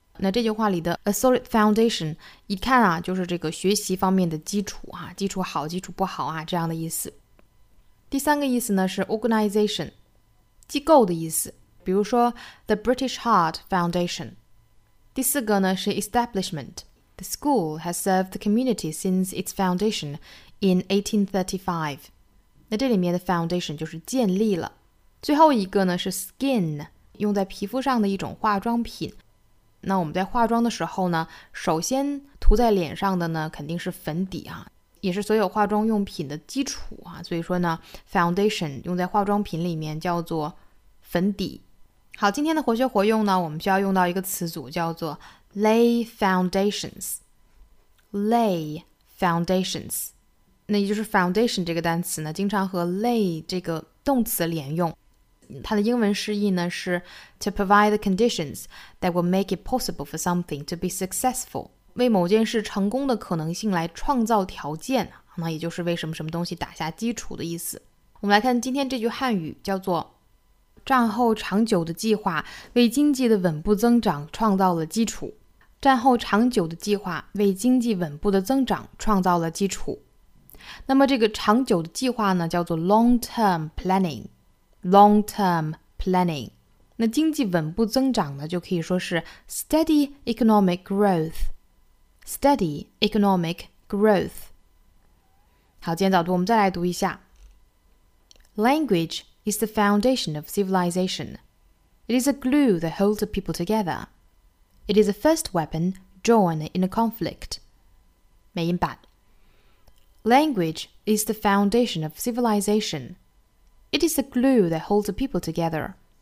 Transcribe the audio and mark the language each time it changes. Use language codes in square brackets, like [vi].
[zh] 那这句话里的 a solid foundation 一看啊就是这个学习方面的基础啊基础好基础不好啊这样的意思。第三个意思呢是 organization, 机构的意思比如说 the British Heart Foundation. 第四个呢是 establishment. [en] The school has served the community since its foundation in 1835. [zh] 那这里面的 foundation 就是建立了。最后一个呢是 skin, 用在皮肤上的一种化妆品。那我们在化妆的时候呢首先涂在脸上的呢肯定是粉底啊也是所有化妆用品的基础啊所以说呢 foundation 用在化妆品里面叫做粉底。好今天的活学活用呢我们需要用到一个词组叫做 lay foundations。 [en] lay foundations。 [zh] 那也就是 foundation 这个单词呢经常和 lay 这个动词连用。它的英文释义呢是 [en] To provide the conditions that will make it possible for something to be successful [zh] 为某件事成功的可能性来创造条件那也就是为什么什么东西打下基础的意思我们来看今天这句汉语叫做战后长久的计划为经济的稳步增长创造了基础。战后长久的计划为经济稳步的增长创造了基础。那么这个长久的计划呢，叫做 [en] long term planning， long term planning。 [zh] 那经济稳步增长呢，就可以说是 [en] steady economic growth， steady economic growth。 [zh] 好，今天早读我们再来读一下。 [en] Language is the foundation of civilization. It is a glue that holds people together. It is the first weapon drawn in a conflict. [zh] 美音版。 [en] Language is the foundation of civilization. It is a glue that holds people together.